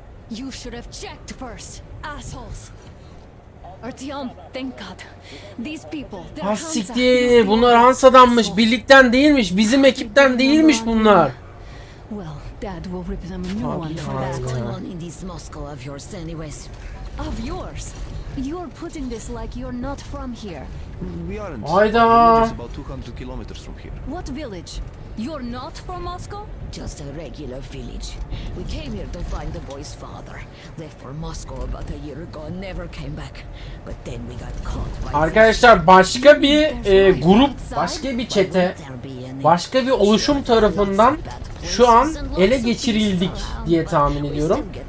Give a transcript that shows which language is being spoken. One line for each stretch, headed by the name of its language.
English: You should have checked first, assholes. Artyom, thank God. These people, they're Hansa.
Turkish: Bunlar Hansa'danmış, birlikten değilmiş, bizim ekipten değilmiş bunlar.
English: Well, Dad will rip them a new one for that one in this Moscow of yours, anyways. Of yours? You're putting this like you're not from here. We aren't. Hayda. About 200 kilometers from here. What village? You're not from Moscow? Just a regular village. We came here to find the boy's father. Left for Moscow about a year ago and never came back. But then we got caught by...
Turkish: Arkadaşlar başka bir grup, başka bir çete, başka bir oluşum tarafından şu an ele geçirildik diye tahmin ediyorum.